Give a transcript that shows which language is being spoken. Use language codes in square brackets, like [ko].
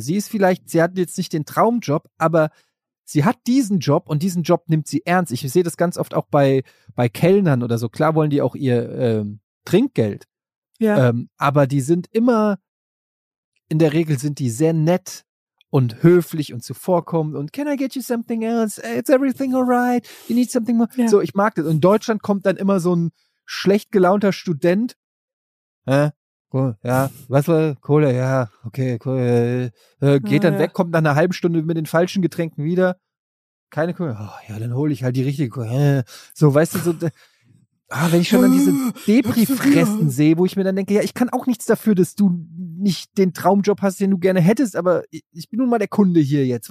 [de] Sie ist vielleicht, sie hat jetzt nicht den Traumjob, aber sie hat diesen Job und diesen Job nimmt sie ernst. Ich sehe das ganz oft auch bei Kellnern oder so. Klar wollen die auch ihr Trinkgeld. Ja. Aber die sind immer, in der Regel sind die sehr nett und höflich und zuvorkommend und [en] can I get you something else? It's everything alright. You need something more. Ja. [de] So, ich mag das. In Deutschland kommt dann immer so ein schlecht gelaunter Student. Ja, was war Kohle? Ja, okay, cool. Geht dann weg, kommt nach einer halben Stunde mit den falschen Getränken wieder. Keine Kohle. Oh, ja, dann hole ich halt die richtige Kohle. So, weißt du, so, wenn ich schon dann diese Depri-Fressen sehe, wo ich mir dann denke, ja, ich kann auch nichts dafür, dass du nicht den Traumjob hast, den du gerne hättest, aber ich bin nun mal der Kunde hier jetzt.